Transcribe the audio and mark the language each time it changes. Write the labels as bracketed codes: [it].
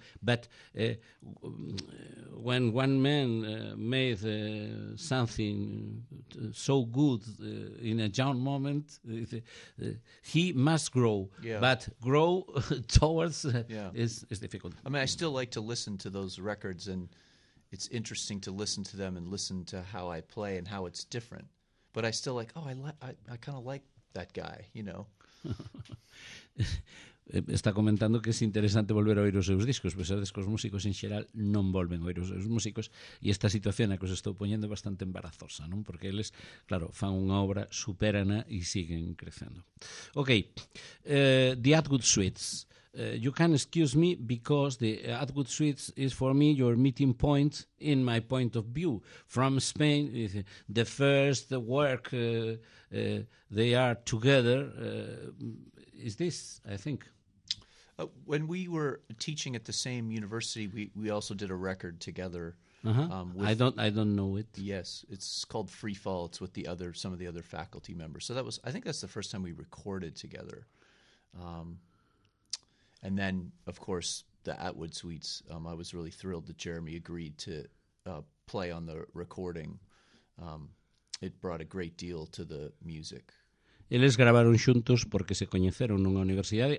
[en] But when one man made something so good in a down moment, he must grow. Yeah. But grow towards is difficult. I mean, I still like to listen to those records, and it's interesting to listen to them and listen to how I play and how it's different. But I still like, I kind of like that guy, you know. [es] Está comentando que es interesante [gl] volver a oír os seus discos, pois sabes que os músicos en xeral non volven a oír os seus músicos, e esta situación a que os estou poñendo é bastante embarazosa, non? Porque eles, claro, fan unha obra, superana e siguen crecendo. Ok, The Atwood Suites. [en] You can excuse me because the Atwood Suites is for me your meeting point in my point of view. From Spain, the first work they are together is this, I think. When we were teaching at the same university, we also did a record together. I don't know it. Yes, it's called Free Fall. It's with some of the other faculty members. So that was, I think that's the first time we recorded together. And then, of course, the Atwood Suites. I was really thrilled that Jeremy agreed to play on the recording. It brought a great deal to the music. [gl] Eles gravaron xuntos porque se coñeceron nunha universidade.